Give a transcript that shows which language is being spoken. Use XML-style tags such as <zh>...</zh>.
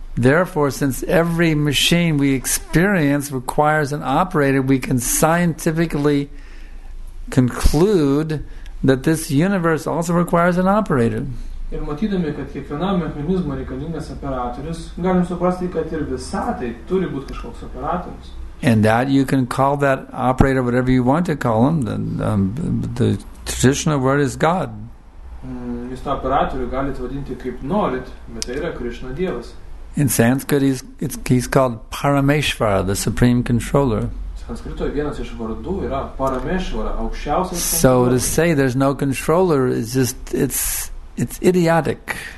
<en>Therefore, since every machine we experience requires an operator, we can scientifically conclude that this universe also requires an operator.</en> <lt>Ir matydami, kad kiekvienam mechanizmui reikalingas operatorius, galim suprasti, kad ir visatai turi būti kažkoks operatorius.</lt> <en>And that you can call that operator whatever you want to call him. The traditional word is God.</en> <lt>Jūs tą operatorių galite vadinti kaip norit, bet tai yra Krishna Dievas.</lt> <en>In Sanskrit, he's called Parameshvara, the supreme controller. So to say there's no controller is just, it's idiotic.</en>